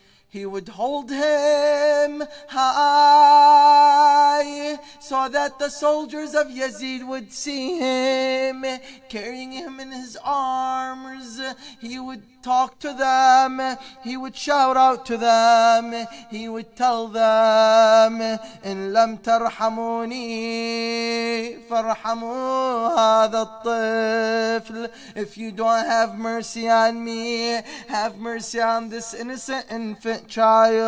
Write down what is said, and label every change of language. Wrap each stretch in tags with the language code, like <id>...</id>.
<en>He would hold him high so that the soldiers of Yazid would see him, carrying him in his arms. He would talk to them. He would shout out to them. He would tell them,</en> <ar>إن لم ترحموني فرحموا هذا الطفل.</ar> <en>If you don't have mercy on me, have mercy on this innocent infant child.</en>